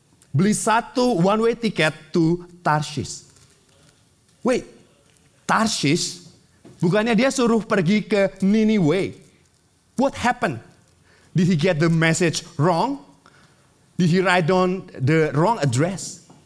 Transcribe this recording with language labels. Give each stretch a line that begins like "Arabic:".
Indonesian: Beli satu
English: one-way ticket to Tarshish. Wait, Tarshish?
Indonesian: Bukannya dia suruh pergi ke Niniwe?
English: What happened? Did he get the message wrong? Did he write down the wrong address?